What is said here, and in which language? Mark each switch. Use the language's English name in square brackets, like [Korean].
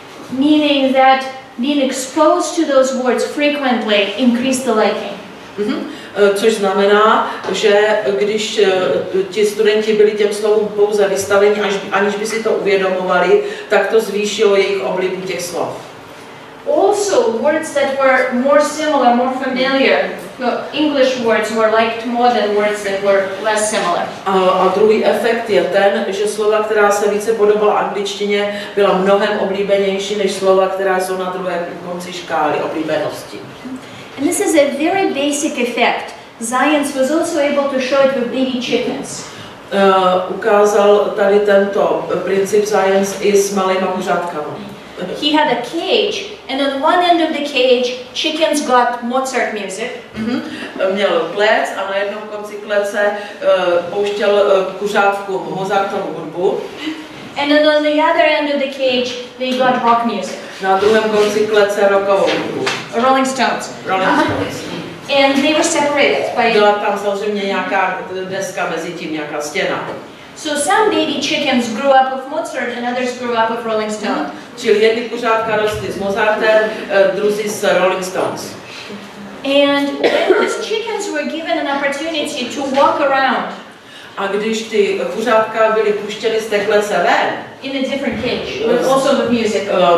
[English] Meaning that being exposed to those words frequently increased the liking. [Czech] což znamená, že když ti studenti byli těm slovům pouze vystaveni, aniž by si to uvědomovali, tak to zvýšilo jejich oblibu těch slov. [English] Also, words that were more similar, more familiar, English words were liked more than words that were less similar. [Czech] A druhý efekt je ten, že slova, která se více podobala angličtině, byla mnohem oblíbenější než slova, která jsou na druhé konci škály oblíbenosti. [English] And this is a very basic effect. Science was also able to show it with baby chickens. [Czech] Ukázal tady tento princip science i s malýma kuřátkama. [English] He had a cage, and on one end of the cage, chickens got Mozart music. [Czech] Měl klec a na jednom konci klece pouštěl kuřátku Mozartovu hudbu. [English] And then on the other end of the cage, they got rock music. [Czech] Na druhém konci klece rockovou hudbu. [English] Rolling Stones. [Czech] Rolling Stones. [English] And they were separated by. [Czech] Byla tam samozřejmě nějaká deska mezi tím, nějaká stěna. [English] So some baby chickens grew up with Mozart and others grew up with Rolling Stones. [Czech] Čili jedny kuřátka rostly s Mozartem, druzí s Rolling Stones. [English] And when these chickens were given an opportunity to walk around. [Czech] A když ty kuřátka byly puštěny z té klece ven. [English] In a different cage, but also with music.